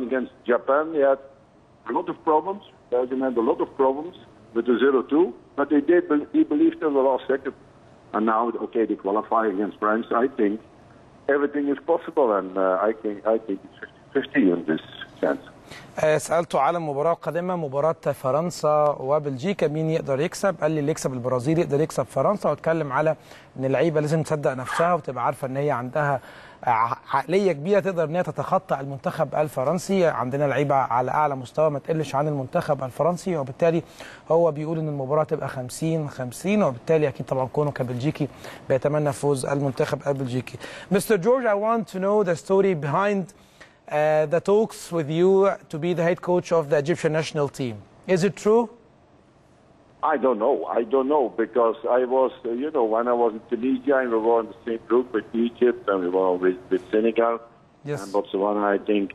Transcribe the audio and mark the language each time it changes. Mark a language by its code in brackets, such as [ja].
[en] And against Japan, they had a lot of problems. Belgium had a lot of problems with the 0-2, but he believed in the last second. And now, they qualify against France. I think everything is possible, and I think it's 50-50 in this chance. [ar] سألته على المباراة القادمة مباراة فرنسا وبلجيكا مين يقدر يكسب؟ قال لي اللي يكسب البرازيل يقدر يكسب فرنسا واتكلم على ان اللعيبة لازم تصدق نفسها وتبقى عارفة ان هي عندها عقلية كبيرة تقدر ان هي تتخطى المنتخب الفرنسي عندنا لعيبة على اعلى مستوى ما تقلش عن المنتخب الفرنسي وبالتالي هو بيقول ان المباراة تبقى 50-50 وبالتالي اكيد طبعا كونه كبلجيكي بيتمنى فوز المنتخب البلجيكي. [en] Mister George I want to know the story behind the talks with you to be the head coach of the Egyptian national team. Is it true? I don't know because I was, when I was in Tunisia, we were in the same group with Egypt and we were with Senegal and Botswana, I think.